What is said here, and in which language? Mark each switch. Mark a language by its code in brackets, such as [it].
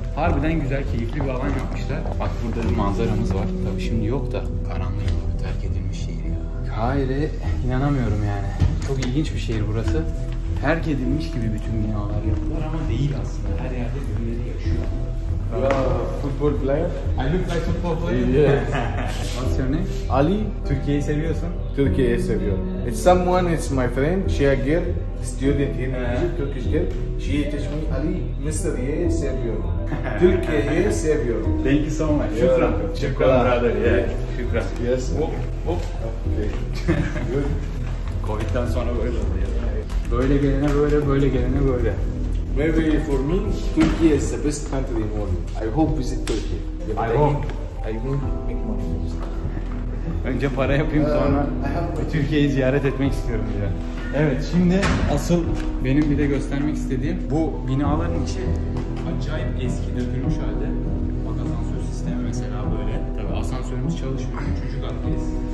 [tr] Harbiden güzel, keyifli bir alan yapmışlar. Bak burada bir manzaramız var. Tabii şimdi yok da. Karanlık gibi terk edilmiş şehir ya. Kahire, inanamıyorum yani. Çok ilginç bir şehir burası. Terk edilmiş gibi bütün binalar yapılır ama değil aslında. Her yerde birileri yaşıyor. [en] Football player. I look like football player. Yes. What's your name? Ali. [tr] Türkiye'yi seviyorsun? Türkiye'yi seviyorum. [en] It's someone, it's my friend. She a girl, student in Turkish girl. She teach me [tr] Ali. Mısır'yı seviyorum. Türkiye'yi seviyorum. [en] Thank you so much. Şükran. [tr] Şükran [en] brother. Yeah. Şükran. Yes. Okay. Good. [tr] Covid'den sonra böyle oldu ya. Böyle gelene böyle, böyle gelene böyle. [en] Maybe for me, Turkey is the best country in the world. I hope visit Turkey. I hope. [tr] Önce para yapayım sonra Türkiye'yi ziyaret etmek istiyorum diye. Evet, şimdi asıl benim bir de göstermek istediğim bu binaların içi acayip eski, dökülmüş halde. Bak asansör sistemi mesela böyle. Tabii asansörümüz çalışmıyor, üçüncü kattayız.